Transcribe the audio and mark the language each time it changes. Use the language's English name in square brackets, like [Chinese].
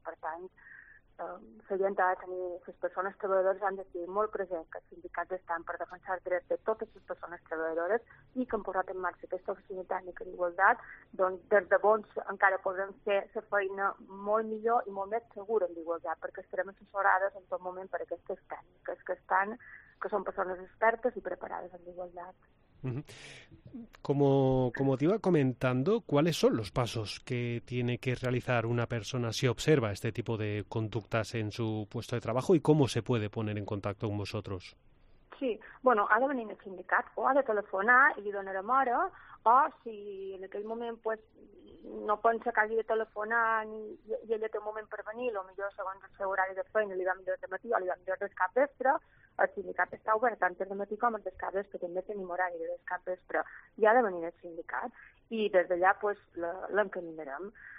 [Catalan] Per tant, les persones treballadores han de ser molt presents, que els sindicats estan per defensar els drets de totes les persones treballadores i que han posat en marxa aquesta oficina tècnica d'igualtat, doncs des de bons encara podem fer la feina molt millor i molt més segura en l'igualtat, perquè estarem assessorades en tot moment per aquestes tècniques que són persones expertes i preparades en l'igualtat. [Spanish] Como te iba comentando, ¿cuáles son los pasos que tiene que realizar una persona si observa este tipo de conductas en su puesto de trabajo y cómo se puede poner en contacto con vosotros? [Catalan] Sí, bueno, ha de venir el sindicat o ha de telefonar i li donarem hora, o si en aquell moment pues, no pensa que hagi de telefonar ni, i ella té un moment per venir, o millor segons el seu horari de feina li va millor de matí o li va millor de cap vespre, el sindicat està obert tant el matí com el cap vespre, també tenim horari de cap vespre, i ha de venir el sindicat i des d'allà pues, l'encaminarem.